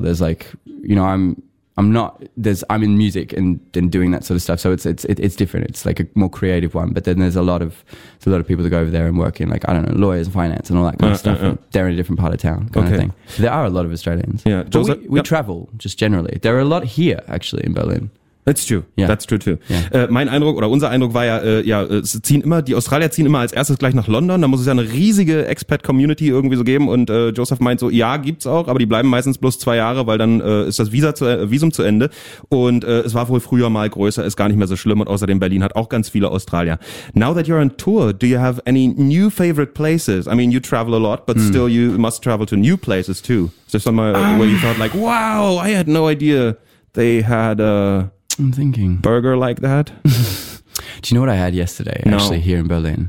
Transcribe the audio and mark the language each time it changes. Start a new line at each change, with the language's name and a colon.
English: There's like, you know, I'm in music and doing that sort of stuff. So it's different. It's like a more creative one. But then there's a lot of people that go over there and work in, like, I don't know, lawyers and finance and all that kind of stuff. And they're in a different part of town kind of thing. So there are a lot of Australians. Yeah. But we travel just generally. There are a lot here actually in Berlin. That's true. Yeah. That's true too. Yeah.
German: Mein Eindruck oder unser Eindruck war ja, die Australier ziehen immer als erstes gleich nach London. Da muss es ja eine riesige Expat-Community irgendwie so geben. Und Joseph meint so, ja, gibt's auch, aber die bleiben meistens bloß 2 Jahre, weil dann ist das Visum zu Ende. Und es war wohl früher mal größer, ist gar nicht mehr so schlimm. Und außerdem Berlin hat auch ganz viele Australier.
English: Now that you're on tour, do you have any new favorite places? I mean, you travel a lot, but still you must travel to new places too. Is there somewhere where you thought like, wow, I had no idea they had a... I'm thinking. Burger like that? Do you know what I had yesterday, actually, here in Berlin?